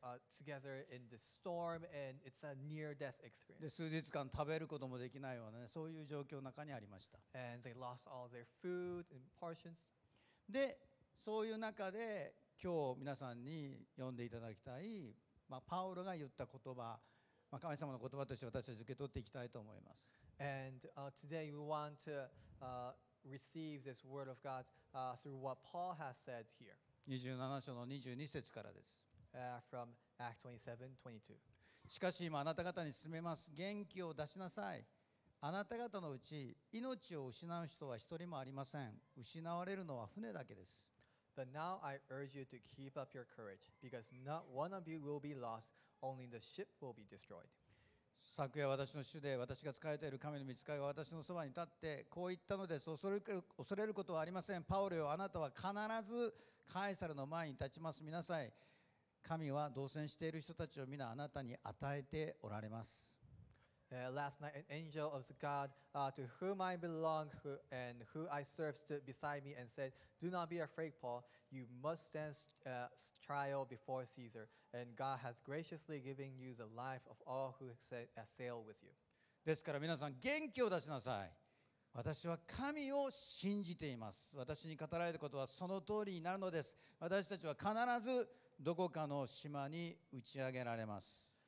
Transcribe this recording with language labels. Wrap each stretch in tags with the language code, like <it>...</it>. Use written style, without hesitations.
<en>together in the storm, and it's a near-death experience.</en> <ja>数日間食べることもできないようなね、そういう状況の中にありました。</ja> <en>And they lost all their food and portions.</en> <ja>で、そういう中で今日皆さんに読んでいただきたい、まあ、パウロが言った言葉、まあ、神様の言葉として私たち受け取っていきたいと思います。</ja> <en>And today we want to receive this word of God through what Paul has said here.</en> <ja>27章の22節からです。</ja> <en>from Act 27:22.</en> <ja>しかし今あなた方に勧めます、元気を出しなさい。あなた方のうち命を失う人は一人もありません。失われるのは船だけです。</ja> <en>But now I urge you to keep up your courage, because not one of you will be lost, only the ship will be destroyed.</en> <ja>昨夜私の主で私が仕えている神の御使いが私のそばに立ってこう言ったのです。恐れることはありません。パウロよ、あなたは必ずカエサルの前に立ちます。みなさい、神は同船している人たちを皆あなたに与えておられます。</ja> <en>Last night an angel of the God to whom I belong and who I serve stood beside me and said, Do not be afraid, Paul. You must stand trial before Caesar, and God has graciously given you the life of all who sail with you.</en> <ja>ですから皆さん元気を出しなさい。私は神を信じています。私に語られることはその通りになるのです。私たちは必ずどこかの島に打ち上げられます。</ja>